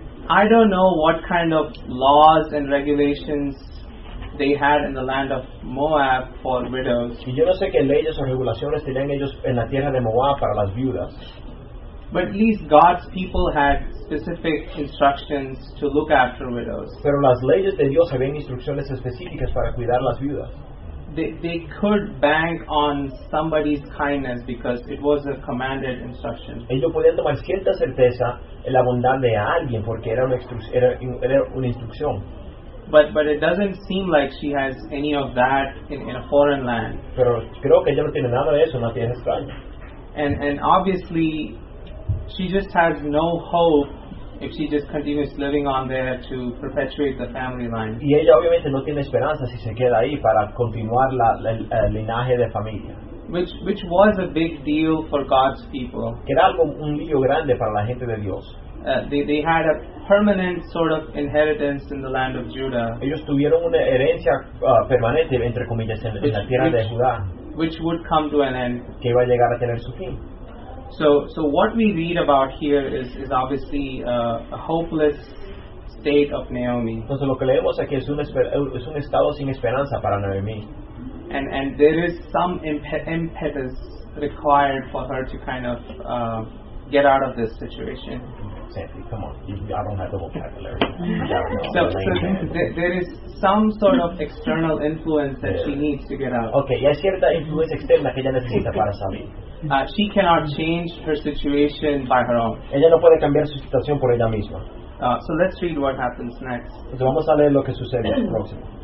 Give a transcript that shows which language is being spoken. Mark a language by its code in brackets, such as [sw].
[en] I don't know what kind of laws and regulations they had in the land of Moab for widows. [es] Y yo no sé qué leyes o regulaciones tenían ellos en la tierra de Moab para las viudas. [en] But at least God's people had specific instructions to look after widows. [es] Pero las leyes de Dios habían instrucciones específicas para cuidar las viudas. [en] They could bank on somebody's kindness because it was a commanded instruction. [es] Ellos podían tomar cierta certeza en la bondad de alguien porque era una instrucción. [en] But it doesn't seem like she has any of that in a foreign land. [es] Pero creo que ella no tiene nada de eso en una tierra extraña. [en] and obviously she just has no hope if she just continues living on there to perpetuate the family line. [es] Y ella obviamente no tiene esperanza si se queda ahí para continuar el linaje de familia. [en] Which was a big deal for God's people. [es] Que era algo, un lío grande para la gente de Dios. [en] They had a permanent sort of inheritance in the land of Judah. [es] Ellos tuvieron una herencia permanente entre comillas en la tierra de Judá. [en] Which would come to an end. [es] Que iba a llegar a tener su fin. [en] So what we read about here is obviously a hopeless state of Naomi. [es] Entonces lo que leemos aquí es un estado sin esperanza para Naomi. [en] And there is some impetus required for her to kind of get out of this situation. Sandy, come on. I don't have the vocabulary. There is some sort of external influence that she needs to get out. [es] Okay, y hay cierta influencia externa que ella necesita para salir. [en] She cannot change her situation by her own. [es] Ella no puede cambiar su situación por ella misma. [en] So let's read what happens next. [es] Entonces vamos a leer lo que sucede próximo.